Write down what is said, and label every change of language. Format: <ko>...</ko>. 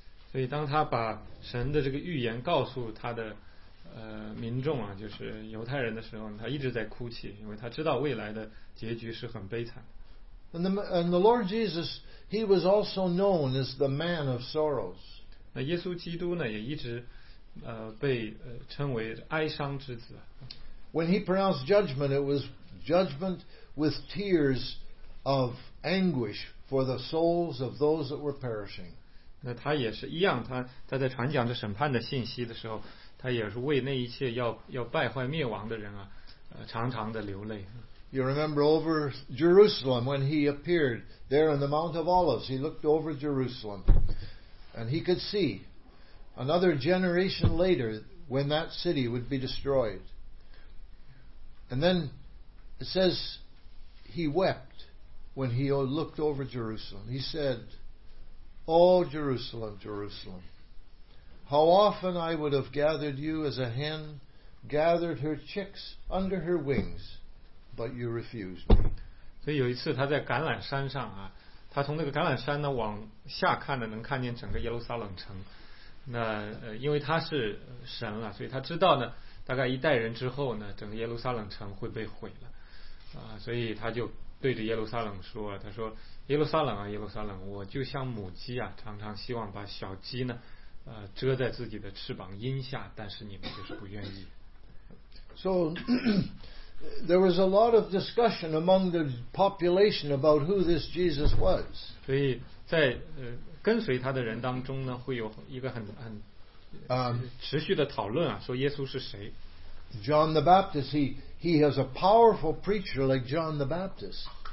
<zh>所以当他把神的这个预言告诉他的民众啊，就是犹太人的时候，他一直在哭泣，因为他知道未来的结局是很悲惨。</zh> <en>And the Lord Jesus, he was also known as the man of sorrows.</en> <zh>那耶稣基督呢，也一直。被称为哀伤之子。</zh> <en>When he pronounced judgment, it was judgment with tears of anguish for the souls of those that were perishing.</en> <zh>那他也是一样，他在传讲着审判的信息的时候，他也是为那一切要败坏灭亡的人啊，常常的流泪。</zh> <en>You remember over Jerusalem when he appeared there on the Mount of Olives, he looked over Jerusalem, and he could see. Another generation later, when that city would be destroyed. And then it says he wept when he looked over Jerusalem. He said, Oh, Jerusalem, Jerusalem, how often I would have gathered you as a hen gathered her chicks under her wings, but you refused me.</en> <zh>所以有一次他在橄榄山上啊，他从那个橄榄山呢往下看呢，能看见整个耶路撒冷城。那因为他是神了，所以他知道呢，大概一代人之后呢，整个耶路撒冷城会被毁了，所以他就对着耶路撒冷说，他说：“耶路撒冷啊，耶路撒冷，我就像母鸡啊，常常希望把小鸡呢，遮在自己的翅膀荫下，但是你们就是不愿意。”</zh> <en>So there was a lot of discussion among the population about who this Jesus was.</en> <zh>所以在跟随他的人当中呢，会有一个很持续的讨论啊，说耶稣是谁。</zh> <en>John the Baptist, he has a powerful preacher like John the Baptist.</en>